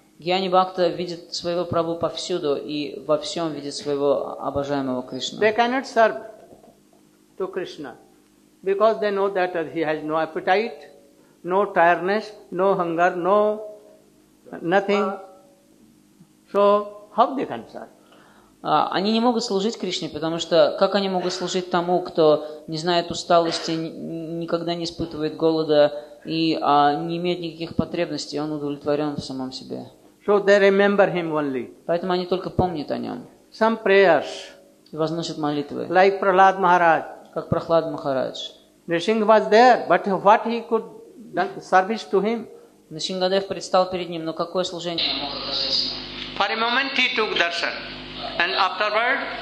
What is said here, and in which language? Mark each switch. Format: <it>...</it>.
<ru>Гьяни Бхакта видит своего Прабху повсюду и во всем видит своего обожаемого Кришну.</ru> <en>They cannot serve to Krishna, because they know that he has no appetite, no tiredness, no hunger, no nothing. So how they can serve?</en> <ru>Они не могут служить Кришне, потому что как они могут служить тому, кто не знает усталости, никогда не испытывает голода и не имеет никаких потребностей, он удовлетворен в самом себе.</ru> <en>So they remember him only.</en> <ru>Поэтому они только помнят о нем.</ru> <en>Some prayers.</en> <ru>И возносят молитвы.</ru> <en>Like Prahlad Maharaj.</en> <ru>Как Прохлад Махарадж.</ru> <en>Нисинга was there, but what he could service to him?</en> <ru>Нисингадев предстал перед ним, но какое служение он мог оказать?</ru> <en>For a moment he took darshan, and afterward.</en>